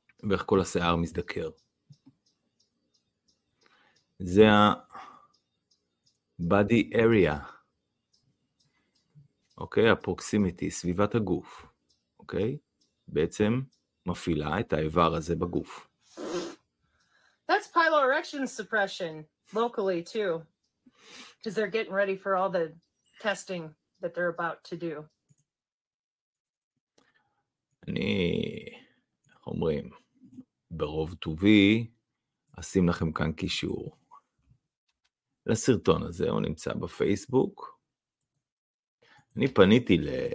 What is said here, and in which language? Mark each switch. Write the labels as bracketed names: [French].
[Hebrew] ואיך כל השיער מזדקר. זה ה-body area. אוקיי, הפרוקסימיטי, סביבת הגוף. אוקיי? בעצם מפעילה את האיבר הזה בגוף. [English] That's piloerection suppression, locally too. Because they're getting ready for all the testing that they're about to do. [Hebrew] אני, איך אומרים, ברוב טובי, אשים לכם כאן קישור. לסרטון הזה, הוא נמצא בפייסבוק. אני פניתי ל...